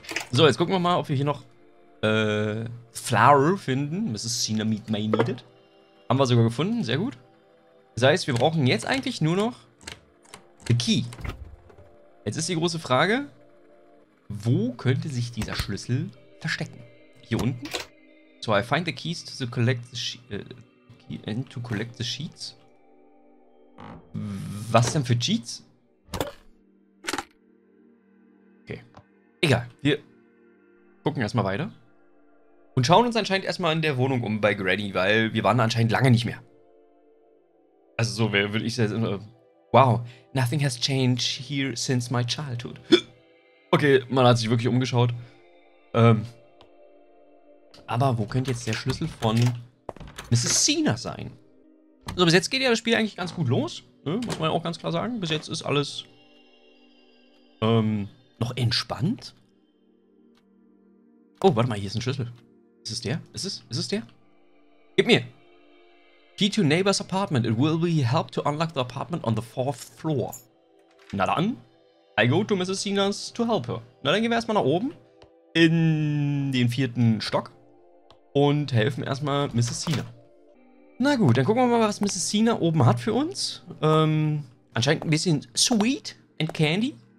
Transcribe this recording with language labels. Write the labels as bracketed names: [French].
[German] So, jetzt gucken wir mal, ob wir hier noch Flour finden. [English] Mrs. Cena may need it. [German] Haben wir sogar gefunden, sehr gut. Das heißt, wir brauchen jetzt eigentlich nur noch [English] the key. [German] Jetzt ist die große Frage, wo könnte sich dieser Schlüssel verstecken? Hier unten? [English] So, I find the keys to the collect the sheets. [German] Was denn für Cheats? Okay. Egal, wir gucken erstmal weiter. Und schauen uns anscheinend erstmal in der Wohnung um bei Granny, weil wir waren anscheinend lange nicht mehr. Also so würde ich sagen, [English] wow, nothing has changed here since my childhood. [German] Okay, man hat sich wirklich umgeschaut. Aber wo könnte jetzt der Schlüssel von Mrs. Cena sein? So, bis jetzt geht ja das Spiel eigentlich ganz gut los. Ne? Muss man ja auch ganz klar sagen. Bis jetzt ist alles noch entspannt. Oh, warte mal, hier ist ein Schlüssel. Ist es der? Ist es der? Gib mir! [English] Key to neighbor's apartment. It will be help to unlock the apartment on the fourth floor. [German] Na dann, [English] I go to Mrs. Cena's to help her. [German] Na dann gehen wir erstmal nach oben in den vierten Stock und helfen erstmal Mrs. Cena. Na gut, dann gucken wir mal, was Mrs. Cena oben hat für uns. Anscheinend ein bisschen [English] sweet and candy.